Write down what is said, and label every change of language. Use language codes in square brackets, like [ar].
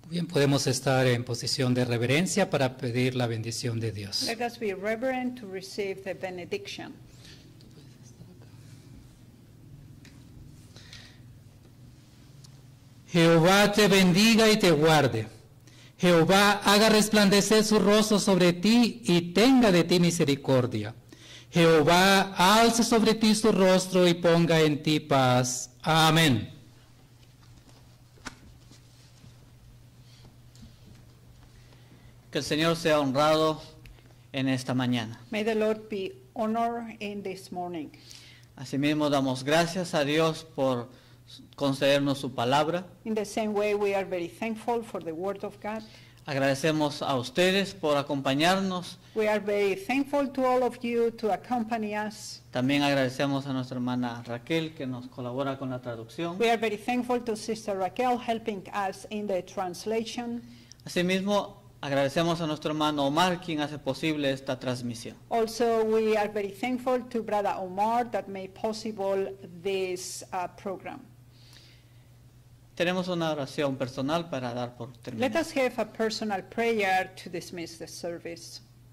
[es] Podemos estar en posición de reverencia para pedir la bendición de Dios. [en] Let us be reverent to receive the benediction. [es] Jehová te bendiga y te guarde. Jehová haga resplandecer su rostro sobre ti y tenga de ti misericordia. Jehová alce sobre ti su rostro y ponga en ti paz. Amén. Que el Señor sea honrado en esta mañana. [en] May the Lord be honored in this morning. [es] Asimismo, damos gracias a Dios por concedernos su palabra. [en] In the same way, we are very thankful for the word of God. [es] Agradecemos a ustedes por acompañarnos. [en] We are very thankful to all of you to accompany us. [es] También agradecemos a nuestra hermana Raquel que nos colabora con la traducción. [en] We are very thankful to Sister Raquel helping us in the translation. [es] Asimismo, agradecemos a nuestro hermano Omar, quien hace posible esta transmisión. [en] Also, we are very thankful to Brother Omar that made possible this program. [es] Tenemos una oración personal para dar por terminada. [en] Let us have a personal prayer to dismiss the service.